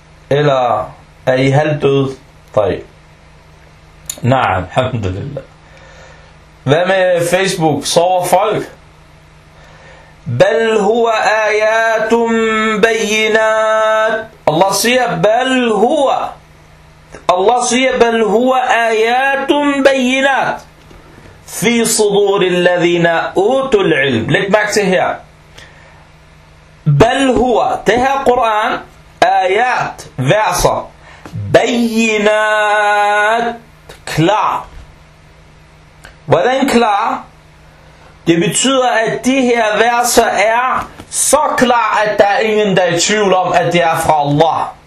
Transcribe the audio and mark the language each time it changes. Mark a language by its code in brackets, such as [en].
[da] Eller er I halvdøde? Nej. Nej, alhamdulillah. Hvad med Facebook? Sover folk? [ar] بَلْ هُوَ آيَاتٌ بَيِّنَاتٌ. [da] Allah siger, [ar] بَلْ هُوَ. [da] Allah siger, [ar] بَلْ هُوَ آيَاتٌ بَيِّنَاتٌ فِي صُدُورِ الَّذِينَ أُوتُوا الْعِلْمِ. [da] Læg mærke til her. [ar] بَلْ هُوَ. [da] Det her Koran, آيات, verser. [ar] بَيِّنَاتٌ. [da] Klar. Hvordan klar? Det betyder, at de her verser er så klar, at der er ingen, der er i tvivl om, at det er fra Allah.